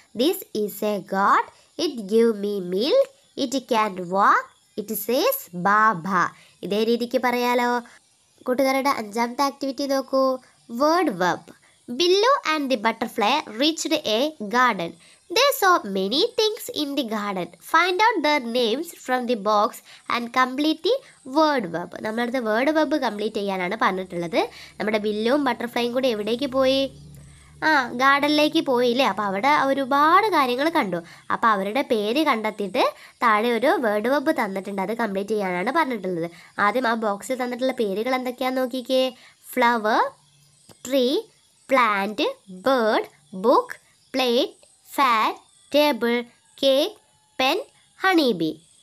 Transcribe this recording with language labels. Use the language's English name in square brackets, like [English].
[English] This is a goat, it give me milk, it can walk, it says baa baa. [Malayalam] ഇതേ രീതിക്ക് പറയാലോ. കൂട്ടുകാരുടെ അഞ്ചാമത്തെ ആക്ടിവിറ്റി നോക്കൂ. Word web. [English] Billu and the butterfly reached a garden. They saw many things in the garden. Find out their names from the box and complete the word web. [Malayalam] നമ്മളടുത്ത് word web complete ചെയ്യാനാണ് പറഞ്ഞിട്ടുള്ളത്. നമ്മുടെ ബില്ലും ബട്ടർഫ്ലൈയും കൂടി എവിടേക്ക് പോയി? ആ, ഗാർഡനിലേക്ക് പോയി അല്ലേ. അപ്പോൾ അവിടെ ഒരുപാട് കാര്യങ്ങൾ കണ്ടു. അപ്പോൾ അവരുടെ പേര് കണ്ടെത്തിയിട്ട് താഴെ ഒരു വേർഡ് വെബ് തന്നിട്ടുണ്ട്, അത് കംപ്ലീറ്റ് ചെയ്യാനാണ് പറഞ്ഞിട്ടുള്ളത്. ആദ്യം ആ ബോക്സിൽ തന്നിട്ടുള്ള പേരുകൾ എന്തൊക്കെയാണെന്ന് നോക്കിക്കേ. Flower, tree, plant, bird, book, plate, fan, table, cake, pen, honeybee.